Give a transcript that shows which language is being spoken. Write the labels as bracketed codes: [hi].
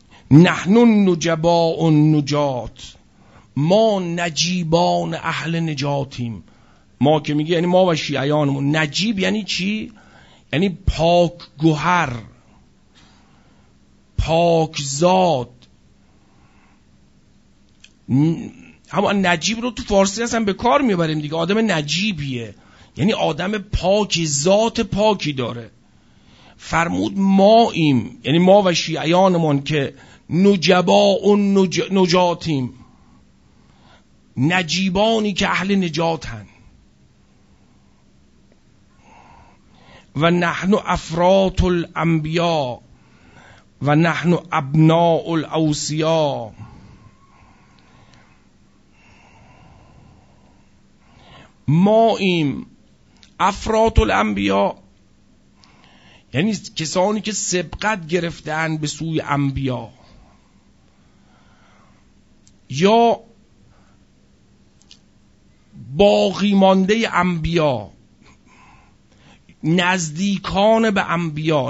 [ar] نحن نجباء النجات، [fa] ما نجیبان اهل نجاتیم. ما که میگه یعنی ما و شیعانمون. نجیب یعنی چی؟ یعنی پاک گوهر، پاک ذات. هم نجیب رو تو فارسی هستن به کار میبریم دیگه، آدم نجیبیه یعنی آدم پاکی، ذات پاکی داره. فرمود ما ایم، یعنی ما و شیعانمون که نجبا و نجاتیم، نجیبانی که اهل نجاتن. [ar] و نحن افراط الانبیا و نحن ابناء الاوصیا. [fa] ما ایم افراط الانبیا، یعنی کسانی که سبقت گرفتن به سوی انبیا، یا باقی مانده انبیا، نزدیکان به انبیا.